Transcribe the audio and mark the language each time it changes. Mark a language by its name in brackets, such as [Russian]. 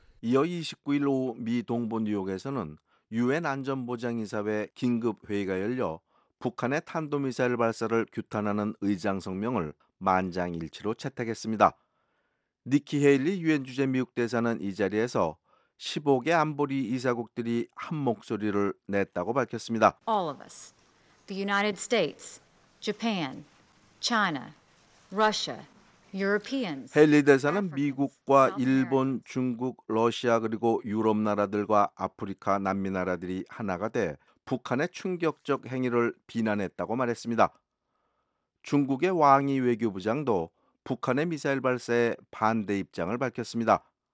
[Korean] 이어 29일 오후 미 동부 뉴욕에서는 유엔 안전보장이사회 긴급회의가 열려 북한의 탄도미사일 발사를 규탄하는 의장성명을 만장일치로 채택했습니다. 니키 헤일리 유엔 주재 미국 대사는 이 자리에서 15개 안보리 이사국들이 한 목소리를 냈다고 밝혔습니다. [English] All of us, the United States, Japan, China, Russia, Europeans. [Korean] 헤일리 대사는 미국과 일본, 중국, 러시아 그리고 유럽 나라들과 아프리카 남미 나라들이 하나가 돼 북한의 충격적 행위를 비난했다고 말했습니다. 중국의 왕이 외교부장도 북한의 미사일 발사에 반대 입장을 밝혔습니다.